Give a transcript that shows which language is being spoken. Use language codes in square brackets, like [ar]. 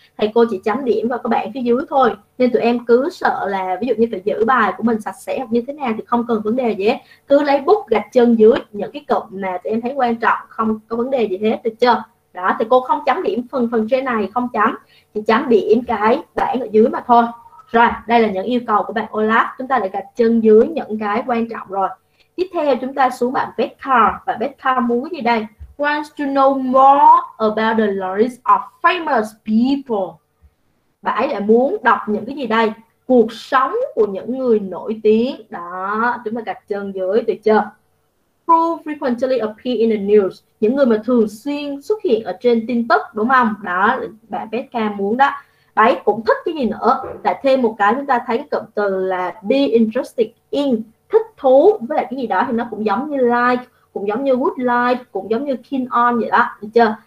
[vi] Thầy cô chỉ chấm điểm vào các bảng phía dưới thôi, nên tụi em cứ sợ là ví dụ như phải giữ bài của mình sạch sẽ hoặc như thế nào thì không cần vấn đề gì hết, cứ lấy bút gạch chân dưới những cái cụm mà tụi em thấy quan trọng, không có vấn đề gì hết, được chưa? Đó thì cô không chấm điểm phần phần trên này không chấm, chỉ chấm điểm cái bảng ở dưới mà thôi. Rồi, đây là những yêu cầu của bạn Olaf. Chúng ta đã gạch chân dưới những cái quan trọng rồi. Tiếp theo chúng ta xuống bạn Vector. Bạn Vector muốn gì đây? [en] Wants to know more about the lives of famous people. [vi] Bạn ấy lại muốn đọc những cái gì đây? Cuộc sống của những người nổi tiếng. Đó, chúng ta gạch chân dưới, được chưa? [en] Who frequently appear in the news. [vi] Những người mà thường xuyên xuất hiện ở trên tin tức, đúng không? Đó, bạn Vector muốn đó. Bạn ấy cũng thích cái gì nữa? Lại thêm một cái chúng ta thấy cái cụm từ là be interested in, thích thú với lại cái gì đó thì nó cũng giống như like, cũng giống như would like, cũng giống như keen on vậy đó, được chưa?